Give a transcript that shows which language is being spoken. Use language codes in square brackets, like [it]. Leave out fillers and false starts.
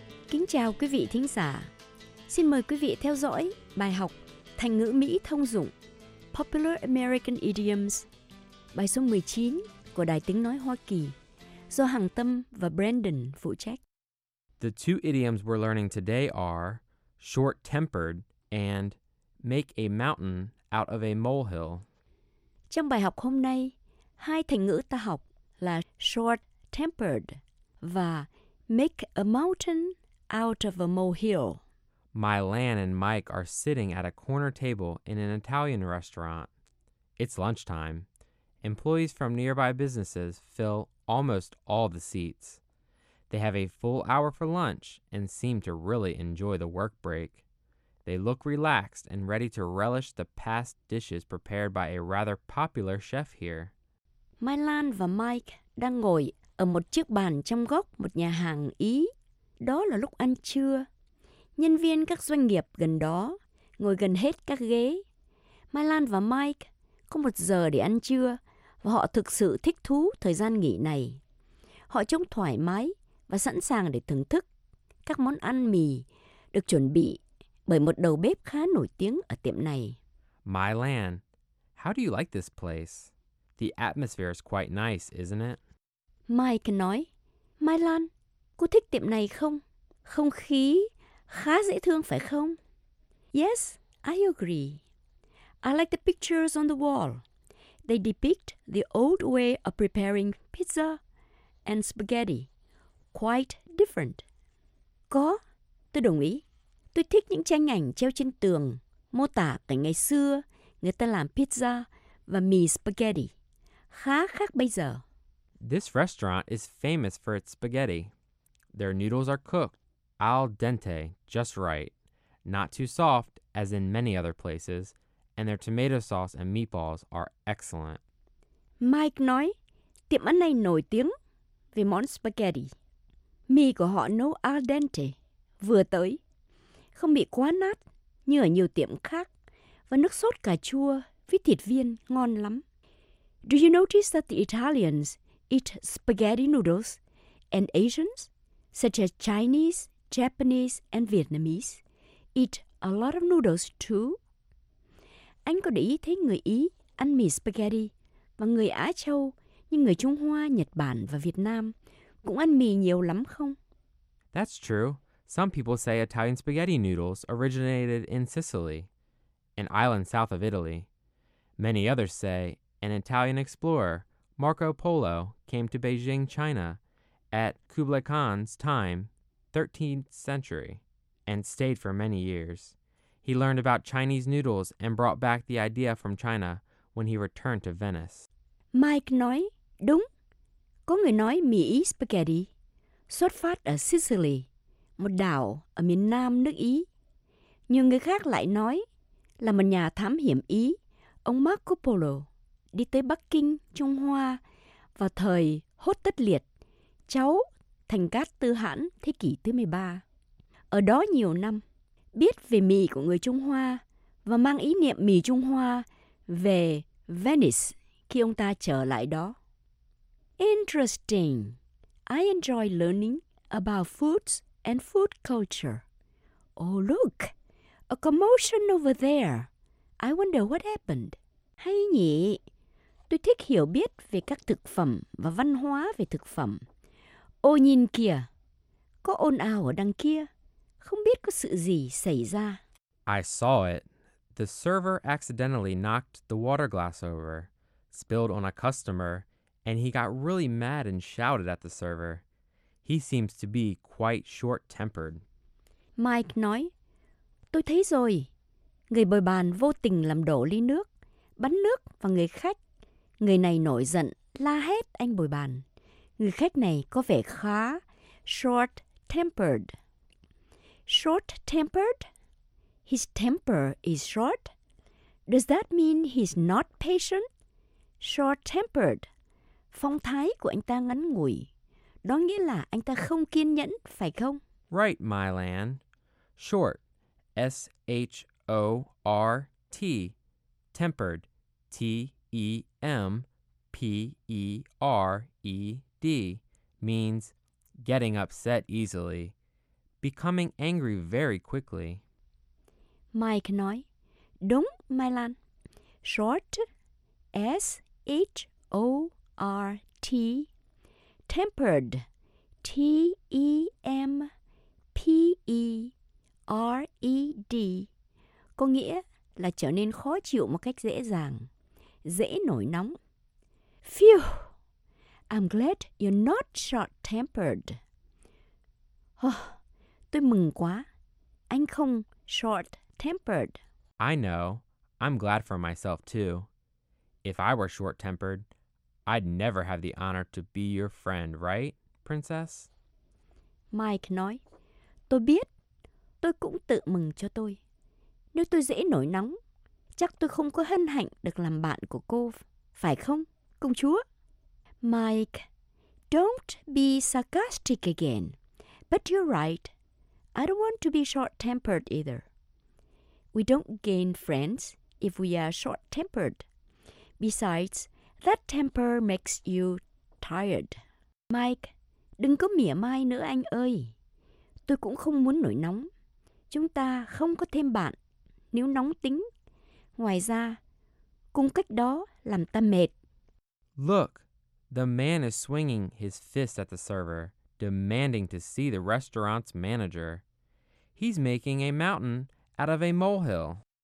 [vi] Kính chào quý vị thính giả. Xin mời quý vị theo dõi bài học Thành ngữ Mỹ thông dụng [en] Popular American Idioms, [vi] bài số 19 của Đài Tiếng Nói Hoa Kỳ, do Hằng Tâm và Brandon phụ trách. [en] The two idioms we're learning today are short-tempered and make a mountain out of a molehill. [vi] Trong bài học hôm nay, hai thành ngữ ta học là short-tempered và [en] make a mountain out of a molehill. Mylan and Mike are sitting at a corner table in an Italian restaurant. It's lunchtime. Employees from nearby businesses fill almost all the seats. They have a full hour for lunch and seem to really enjoy the work break. They look relaxed and ready to relish the past dishes prepared by a rather popular chef here. [vi] Mylan và Mike đang ngồi ở một chiếc bàn trong góc một nhà hàng Ý. Đó là lúc ăn trưa. Nhân viên các doanh nghiệp gần đó ngồi gần hết các ghế. Mai Lan và Mike có một giờ để ăn trưa và họ thực sự thích thú thời gian nghỉ này. Họ trông thoải mái và sẵn sàng để thưởng thức các món ăn mì được chuẩn bị bởi một đầu bếp khá nổi tiếng ở tiệm này. [en] Mai Lan, how do you like this place? The atmosphere is quite nice, isn't it? [vi] Mike nói, Mai Lan, cô thích tiệm này không? Không khí khá dễ thương phải không? [en] Yes, I agree. I like the pictures on the wall. They depict the old way of preparing pizza and spaghetti. Quite different. [vi] Có, tôi đồng ý. Tôi thích những tranh ảnh treo trên tường, mô tả cảnh ngày xưa người ta làm pizza và mì spaghetti. Khá khác bây giờ. [en] This restaurant is famous for its spaghetti. Their noodles are cooked al dente, just right. Not too soft, as in many other places. And their tomato sauce and meatballs are excellent. [vi] Mike nói, tiệm ăn này nổi tiếng về món spaghetti. Mì của họ nấu al dente, vừa tới. Không bị quá nát như ở nhiều tiệm khác. Và nước sốt cà chua với thịt viên ngon lắm. [en] Do you notice that the Italians eat spaghetti noodles and Asians, such as Chinese, Japanese and Vietnamese, eat a lot of noodles too? [vi] Anh có để ý thấy người Ý ăn mì spaghetti và người Á Châu như người Trung Hoa, Nhật Bản và Việt Nam cũng ăn mì nhiều lắm không? [en] That's true. Some people say Italian spaghetti noodles originated in Sicily, an island south of Italy. Many others say an Italian explorer, Marco Polo, came to Beijing, China at Kublai Khan's time, 13th century, and stayed for many years. He learned about Chinese noodles and brought back the idea from China when he returned to Venice. [vi] Mike nói, đúng, có người nói mì Ý spaghetti xuất phát ở Sicily, một đảo ở miền nam nước Ý. Nhưng người khác lại nói là một nhà thám hiểm Ý, ông Marco Polo, đi tới Bắc Kinh, Trung Hoa vào thời Hốt Tất Liệt, cháu Thành Cát Tư Hãn thế kỷ thứ 13. Ở đó nhiều năm, biết về mì của người Trung Hoa và mang ý niệm mì Trung Hoa về Venice khi ông ta trở lại đó. [en] Interesting. I enjoy learning about foods and food culture. Oh, look. A commotion over there. I wonder what happened. [vi] Hay nhỉ? Tôi thích hiểu biết về các thực phẩm và văn hóa về thực phẩm. Ô nhìn kìa. Có ồn ào ở đằng kia. Không biết có sự gì xảy ra. [en] I saw it. The server accidentally knocked the water glass over, spilled on a customer, and he got really mad and shouted at the server. He seems to be quite short-tempered. [vi] Mike nói, tôi thấy rồi. Người bồi bàn vô tình làm đổ ly nước, bắn nước vào người khách. Người này nổi giận, la hét anh bồi bàn. Người khách này có vẻ khá short-tempered. [en] Short-tempered? His temper is short? Does that mean he's not patient? Short-tempered. [vi] Phong thái của anh ta ngắn ngủi. Đó nghĩa là anh ta không kiên nhẫn, phải không? [en] Right, my land. Short. S-H-O-R-T. Tempered. T-E-M-P-E-R-E-D. Means getting upset easily. Becoming angry very quickly. [vi] Mike nói, đúng, Mai Lan. Short, S-H-O-R-T, tempered, T-E-M-P-E-R-E-D, có nghĩa là trở nên khó chịu một cách dễ dàng, dễ nổi nóng. [en] Phew, I'm glad you're not short-tempered. [vi] Tôi mừng quá. Anh không short-tempered. [en] I know. I'm glad for myself, too. If I were short-tempered, I'd never have the honor to be your friend, right, princess? [vi] Mike nói, tôi biết. Tôi cũng tự mừng cho tôi. Nếu tôi dễ nổi nóng, chắc tôi không có hân hạnh được làm bạn của cô. Phải không, công chúa? [en] Mike, don't be sarcastic again. But you're right. I don't want to be short-tempered either. We don't gain friends if we are short-tempered. Besides, that temper makes you tired. [vi] Mike, đừng có mỉa mai nữa anh ơi. Tôi cũng không muốn nổi nóng. Chúng ta không có thêm bạn nếu nóng tính. Ngoài ra, cung cách đó làm ta mệt. [en] Look, the man is swinging his fist at the server, demanding to see the restaurant's manager. He's making a mountain out of a molehill.